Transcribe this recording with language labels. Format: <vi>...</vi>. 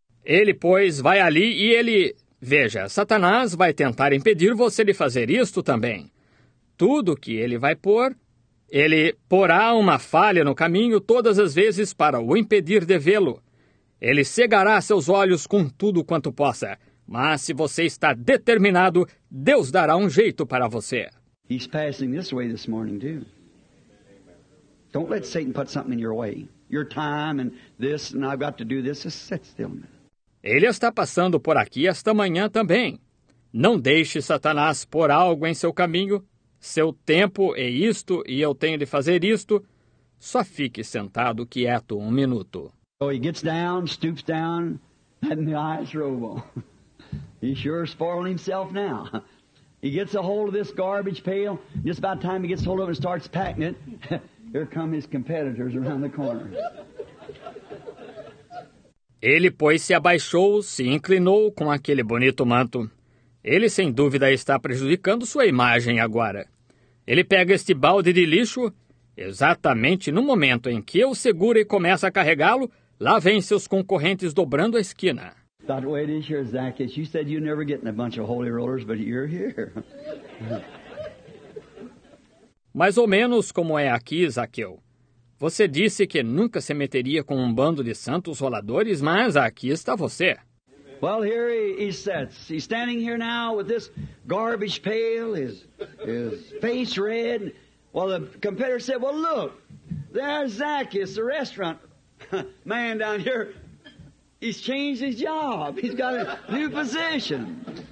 <pt>Ele, pois, vai ali e ele... Veja, Satanás vai tentar impedir você de fazer isto também. Tudo que ele vai pôr, ele porá uma falha no caminho todas as vezes para o impedir de vê-lo. ele cegará seus olhos com tudo quanto possa. Mas se você está determinado, Deus dará um jeito para você.</pt> <en>He's passing this way this morning too. Don't let Satan put something in your way. Your time and this, and I've got to do this. Just sit still, man.</en> <pt>Ele está passando por aqui esta manhã também. Não deixe Satanás pôr algo em seu caminho. Seu tempo é isto e eu tenho de fazer isto. Só fique sentado quieto um minuto.</pt> <en>So he gets down, stoops down, and the eyes roll. He sure is spoiling himself now. He gets a hold of this garbage pail. Just about time he gets hold of it and starts packing it, here come his competitors around the corner.</en> <pt>Ele, pois, se abaixou, se inclinou com aquele bonito manto. Ele, sem dúvida, está prejudicando sua imagem agora. Ele pega este balde de lixo. Exatamente no momento em que eu seguro e começa a carregá-lo, lá vem seus concorrentes dobrando a esquina.</pt> <en>Thought, wait, it's your Zacchaeus. You said you'd never get in a bunch of holy rollers, but you're here.</en> <pt>Mais ou menos como é aqui, Zaqueu. Você disse que nunca se meteria com um bando de santos roladores, mas aqui está você.</pt> <en>Well, here he sits. He's standing here now with this garbage pail, his face red. Well, the competitor said, well, look, there's Zacchaeus, the restaurant man down here. He's changed his job. He's got a new position.</en>